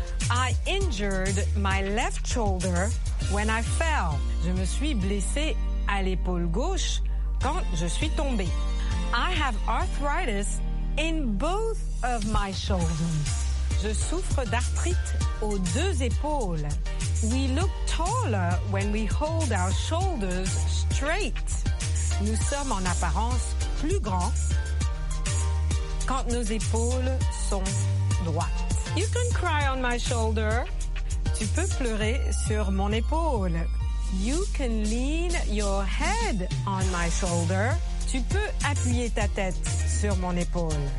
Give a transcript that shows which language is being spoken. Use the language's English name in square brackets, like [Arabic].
[English] I injured my left shoulder when I fell. [French] Je me suis blessée à l'épaule gauche quand je suis tombée. [English] I have arthritis in both of my shoulders. [French] Je souffre d'arthrite aux deux épaules. [English] We look taller when we hold our shoulders straight. [French] Nous sommes en apparence plus grands quand nos épaules sont droites. [English] You can cry on my shoulder. [French] Tu peux pleurer sur mon épaule. [English] You can lean your head on my shoulder. [French] Tu peux appuyer ta tête sur mon épaule.